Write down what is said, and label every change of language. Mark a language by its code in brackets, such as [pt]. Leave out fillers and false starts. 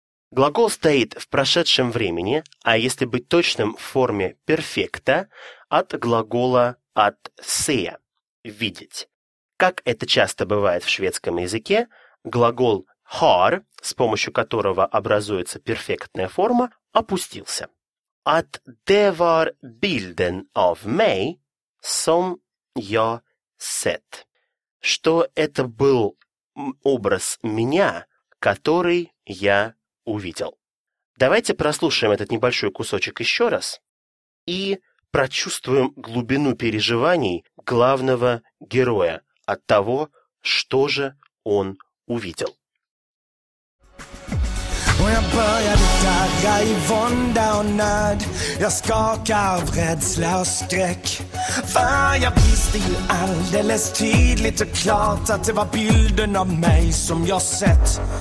[ru] Глагол стоит в прошедшем времени, а если быть точным, в форме перфекта, от глагола от se – видеть. Как это часто бывает в шведском языке, глагол har, с помощью которого образуется перфектная форма, опустился. [sv] At det var bilden av mig som jag sett. [ru] Что это был образ меня, который я увидел. Давайте прослушаем этот небольшой кусочек еще раз и прочувствуем глубину переживаний главного героя от того, что же он увидел. [sv] Jag började darra i vånda och nöd. Jag skakar av rädsla och skräck. För jag visste ju alldeles tydligt och klart att det var bilden av mig som jag sett.